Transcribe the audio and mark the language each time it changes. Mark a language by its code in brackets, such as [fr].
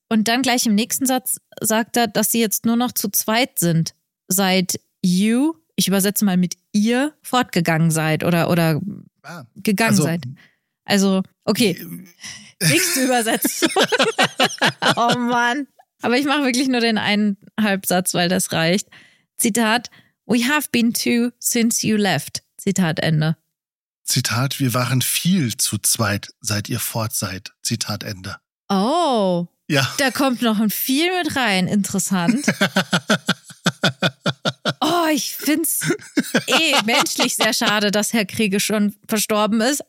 [de] Und dann gleich im nächsten Satz sagt er, dass sie jetzt nur noch zu zweit sind, seit you, ich übersetze mal mit ihr, fortgegangen seid oder gegangen seid. Also, okay, nächste Übersetzung. Oh Mann. Aber ich mache wirklich nur den einen Halbsatz, weil das reicht. Zitat, [en] we have been two since you left. [de] Zitat Ende. Zitat, wir waren viel zu zweit, seit ihr fort seid. Zitat Ende. Oh. Ja. Da kommt noch ein viel mit rein. Interessant. Oh, ich find's menschlich sehr schade, dass Herr Kriege schon verstorben ist.